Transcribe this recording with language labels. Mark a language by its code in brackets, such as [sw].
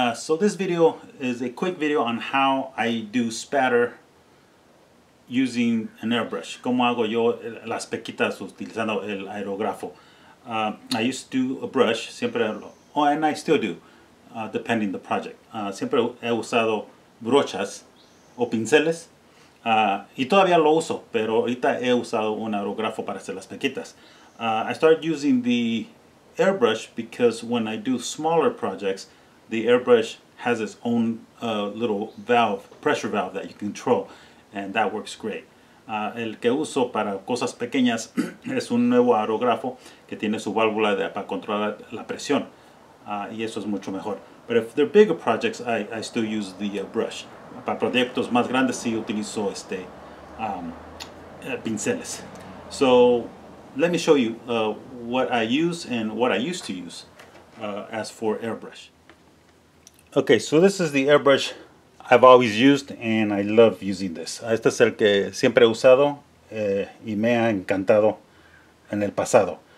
[en] So this video is a quick video on how I do spatter using an airbrush. [es] ¿Cómo hago yo las pequitas utilizando el aerógrafo? [en] I used to do a brush, [es] siempre, [en] and I still do, depending the project. [es] Siempre he usado brochas o pinceles, y todavía lo uso, pero ahorita he usado un aerógrafo para hacer las pequitas. [en] I started using the airbrush because when I do smaller projects, the airbrush has its own little valve, pressure valve that you control, and that works great. [es] El que uso para cosas pequeñas es un nuevo aerógrafo que tiene su válvula para controlar la presión, y eso es mucho mejor. [en] But if they're bigger projects, I still use the brush. [es] Para proyectos más grandes sí utilizo pinceles. [en] So let me show you what I use and what I used to use as for airbrush. Okay, so this is the airbrush I've always used and I love using this. [es] Este es el que siempre he usado y me ha encantado en el pasado.